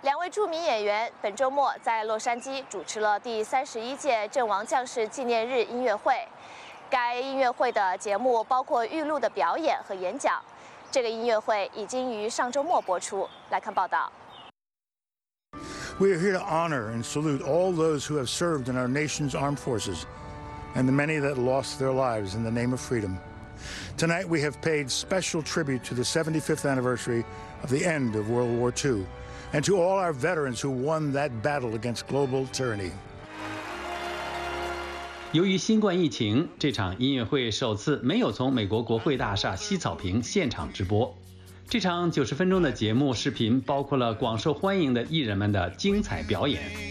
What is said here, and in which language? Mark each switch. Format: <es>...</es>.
<zh>著名演员本周末在洛杉矶主持了第31届阵亡将士纪念日音乐会，该音乐会的节目包括预录的表演和演讲。这个音乐会已经于上周末播出，来看报道。</zh> <en>We are here to honor and salute all those who have served in our nation's armed forces and the many that lost their lives in the name of freedom. Tonight we have paid special tribute to the 75th anniversary of the end of World War II. And to all our veterans who won that battle against global tyranny.</en> <zh>由于新冠疫情，这场音乐会首次没有从美国国会大厦西草坪现场直播。这场90分钟的节目视频包括了广受欢迎的艺人们的精彩表演。</zh>